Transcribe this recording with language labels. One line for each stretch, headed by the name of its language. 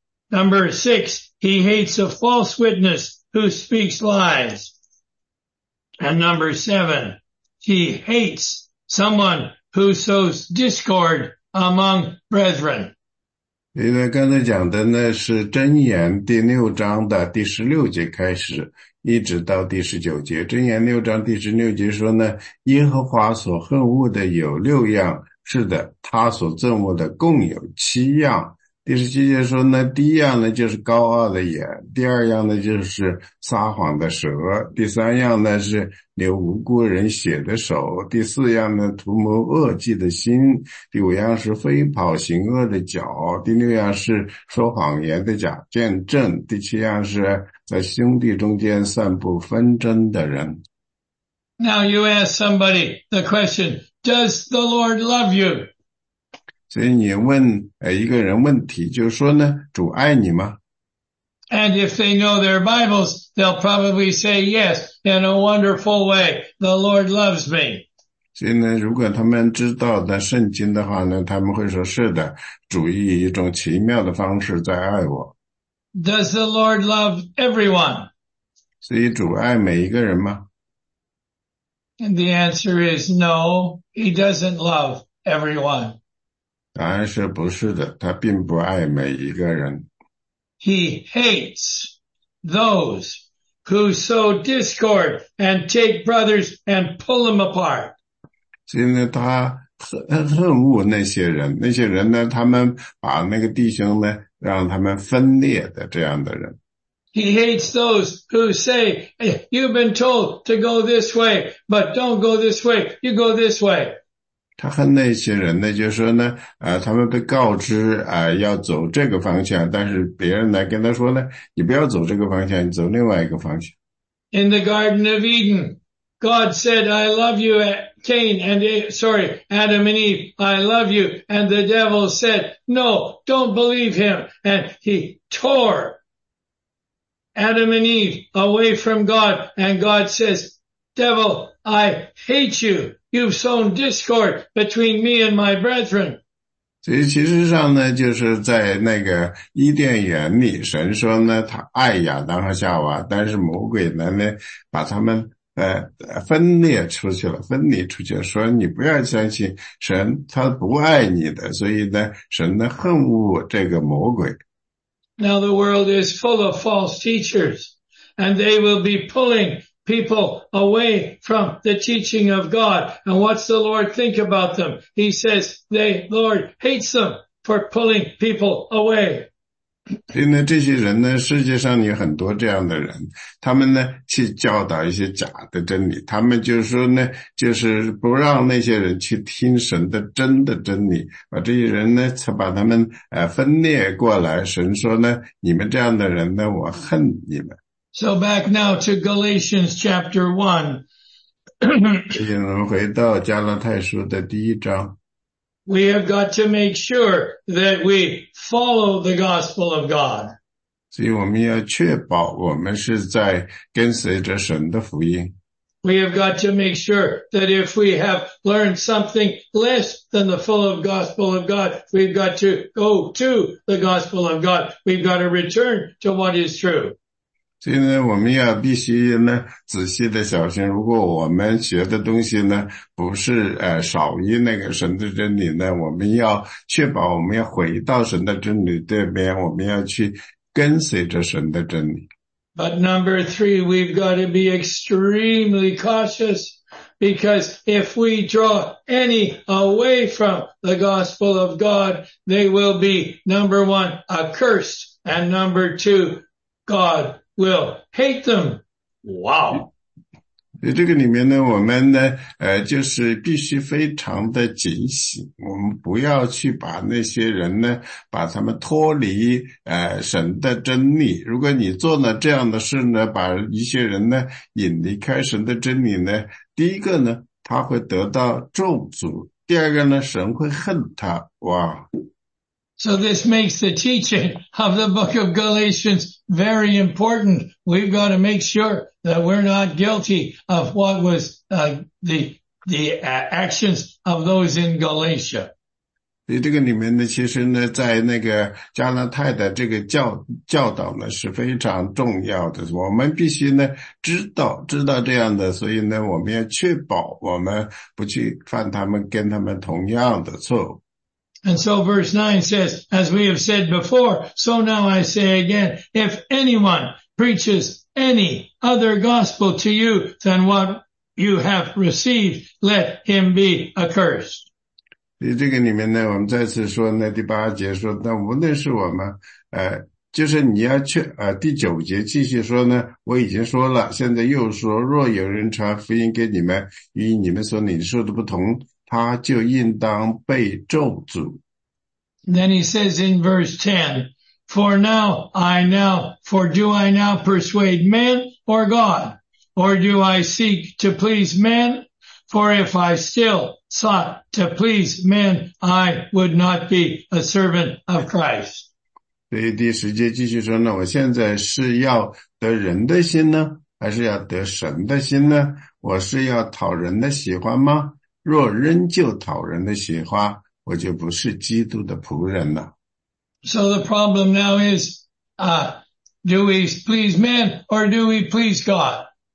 English: Number six, he hates a false witness who speaks lies. And number seven, he hates someone who sows discord among brethren.
Chinese: 因为刚才讲的呢是箴言第六章的第十六节开始一直到第十九节。箴言六章第十六节说呢，耶和华所恨恶的有六样，是的，他所憎恶的共有七样。第十七节说呢，第一样呢就是高傲的眼，第二样呢就是撒谎的舌，第三样呢是流无辜人血的手，第四样呢图谋恶计的心，第五样是飞跑行恶的脚，第六样是说谎言的假见证，第七样是在兄弟中间散布纷争的人。
English: Now you ask somebody the question, does the Lord love you?
Chinese: 所以你问一个人问题，就说呢，主爱你吗？
English: And if they know their Bibles, they'll probably say yes in a wonderful way. The Lord loves me.
Chinese: 所以呢，如果他们知道的圣经的话呢，他们会说是的，主以一种奇妙的方式在爱我。
English: Does the Lord love everyone?
Chinese: 所以主爱每一个人吗？
English: And the answer is no, he doesn't love everyone.
Chinese: 答案是不是的，他并不爱每一个人。
English: He hates those who sow discord and take brothers and pull them apart.
Chinese: 所以呢，他恨恶那些人，那些人呢，他们把那个弟兄呢，让他们分裂的这样的人。
English: He hates those who say, you've been told to go this way, but don't go this way, you go this way.
Chinese: 他恨那些人呢，就是说呢，他们被告知要走这个方向，但是别人来跟他说呢，你不要走这个方向，你走另外一个方向。
English: In the Garden of Eden, God said, "I love you, Cain and sorry, Adam and Eve. I love you." And the devil said, "No, don't believe him." And he tore Adam and Eve away from God. And God says, "Devil, I hate you." You've sown discord between me and my brethren.
Chinese: 所以其实上呢，就是在那个伊甸园里，神说呢，他爱亚当和夏娃，但是魔鬼呢，把他们分裂出去了，分离出去了，说你不要相信神，他不爱你的，所以呢，神呢恨恶这个魔鬼。
English: Now the world is full of false teachers, and they will be pulling. People away from the teaching of God. And what's the Lord think about them? He says, the Lord hates them for pulling people away.
Chinese: 所以呢，这些人呢，世界上有很多这样的人，他们呢，去教导一些假的真理，他们就是说呢，就是不让那些人去听神的真的真理，把这些人呢，才把他们分裂过来。神说呢，你们这样的人呢，我恨你们。
English: So back now to Galatians chapter 1.
Chinese: 回到加拉太书的第一章。
English: We have got to make sure that we follow the gospel of God.
Chinese: 所以我们要确保我们是在跟随着神的福音。
English: We have got to make sure that if we have learned something less than the full of gospel of God, we've got to go to the gospel of God. We've got to return to what is true.
Chinese: 所以呢，我们要必须呢仔细的小心。如果我们学的东西呢不是少于那个神的真理呢，我们要确保我们要回到神的真理对面，我们要去跟随着神的真理。
English: But number three, we've got to be extremely cautious because if we draw any away from the gospel of God, they will be number one, accursed, and number two, God will hate them. Wow.
Chinese: 这个里面呢，我们呢，就是必须非常的警醒，我们不要去把那些人呢，把他们脱离神的真理。如果你做了这样的事呢，把一些人呢引离开神的真理呢，第一个呢，他会得到咒诅；第二个呢，神会恨他。哇！
English: So this makes the teaching of the book of Galatians very important. We've got to make sure that we're not guilty of what was the actions of those in Galatia.
Chinese: 所以这个里面呢，其实呢，在那个加拉太的这个教导呢是非常重要的。我们必须呢知道这样的，所以呢，我们要确保我们不去犯他们跟他们同样的错误。
English: And so verse 9 says, as we have said before, so now I say again, if anyone preaches any other gospel to you than what you have received, let him be accursed.
Chinese: 在这个里面呢，我们再次说呢，第八节说，那无论是我们，就是你要去第九节继续说呢，我已经说了，现在又说，若有人传福音给你们，与你们所领受的不同，他就应当被咒诅。
English: Then he says in verse 10, For do I now persuade men or God? Or do I seek to please men? For if I still sought to please men, I would not be a servant of Christ.
Chinese: 所以第十节继续说呢，我现在是要得人的心呢，还是要得神的心呢？我是要讨人的喜欢吗？若仍旧讨人的喜欢，我就不是基督的仆人了。
English: So the problem now is, do we please men or do we please God?